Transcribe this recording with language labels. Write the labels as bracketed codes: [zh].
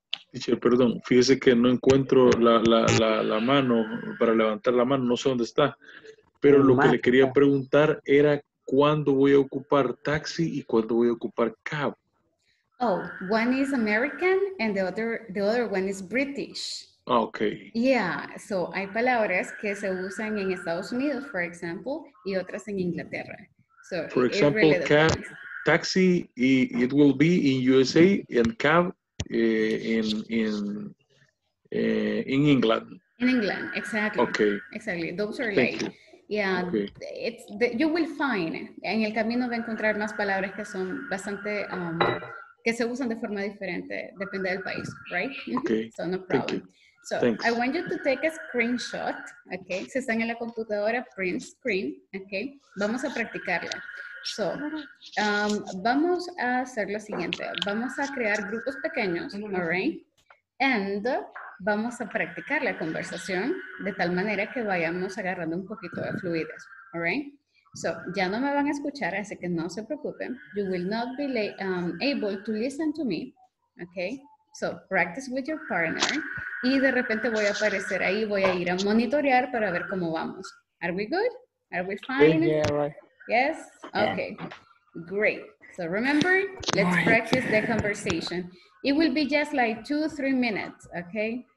[es] Teacher, perdón, fíjese que no encuentro la mano para levantar la mano, no sé dónde está. Pero lo que le quería preguntar era cuándo voy a ocupar taxi y cuándo voy a ocupar cab. [en] Oh, one is American and the other one is British. Okay. Yeah, so [es] hay palabras que se usan en Estados Unidos, [en] for example, [es] y otras en Inglaterra. [en] So, for example, really cab, taxi, it will be in USA and cab. In England. In England, exactly. Okay. Exactly. Those are like, you will find. [es] En el camino va a encontrar más palabras que son bastante que se usan de forma diferente, depende del país, [en] right? Okay. So no problem. Thank you. So thanks. I want you to take a screenshot. Okay. [es] Si están en la computadora, [en] print screen. Okay. [es] Vamos a practicarla. [en] So, [es] vamos a hacer lo siguiente. Vamos a crear grupos pequeños, [en] all right? And [es] vamos a practicar la conversación de tal manera que vayamos agarrando un poquito de fluidez, [en] all right? So, [es] ya no me van a escuchar, así que no se preocupen. [en] You will not be able to listen to me, okay? So, practice with your partner. [es] Y de repente voy a aparecer ahí, voy a ir a monitorear para ver cómo vamos. [en] Are we good? Are we fine? Yeah, right. Yes? Okay. Yeah. Great. So remember, let's practice the conversation. It will be just like 2-3 minutes, okay?